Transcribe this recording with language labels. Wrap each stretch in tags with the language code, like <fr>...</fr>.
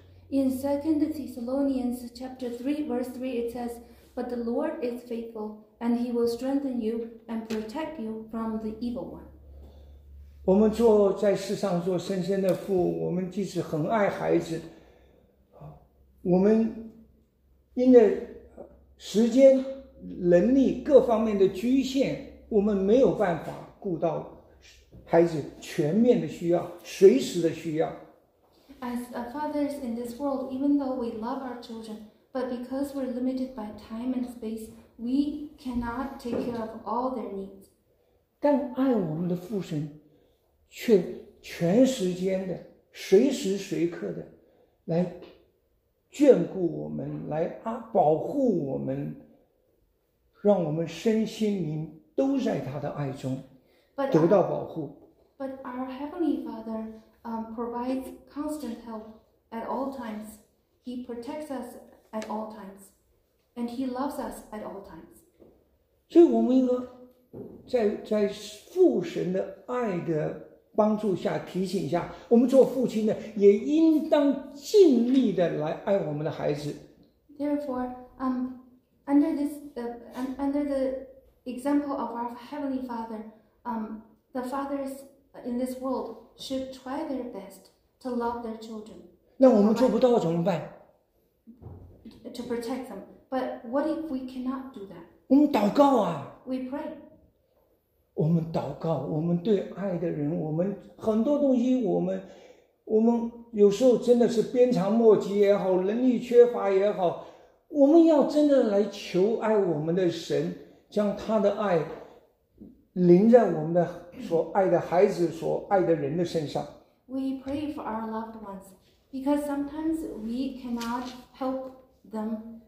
<en>In 2 Thessalonians chapter 3, verse 3, it says, But the Lord is faithful, and He will strengthen you and protect you from the evil one.</en> <zh>我们做在世上做深深的父，我们即使很爱孩子，我们因着时间、能力各方面的局限，我们没有办法顾到孩子全面的需要，随时的需要。</zh> <en>As fathers in this world, even though we love our children, but because we're limited by time and space, we cannot take care of all their needs.</en> <zh>但爱我们的父神，却全时间的、随时随刻的来眷顾我们，来保护我们，让我们身心灵都在他的爱中得到保护。</zh> <en>But our Heavenly Father. Provides constant help at all times. He protects us at all times, and He loves us at all times.</en> <zh>所以我们应该在父神的爱的帮助下提醒下，我们做父亲的也应当尽力的来爱我们的孩子。</zh> <en>Therefore, under the example of our Heavenly Father, the fathers in this world. Should try their best to love their children.</en> <zh>那我们做不到怎么办</zh> <en>？To protect them, but what if we cannot do that?</en> <zh>我们祷告啊。</zh> <en>We pray.</en> <zh>我们祷告，我们对爱的人，我们很多东西，我们有时候真的是鞭长莫及也好，能力缺乏也好，我们要真的来求爱我们的神，将他的爱临在我们的。所爱的孩子，所爱的人的身上。</zh> <en>We pray for our loved ones, Because sometimes we cannot help them.</en>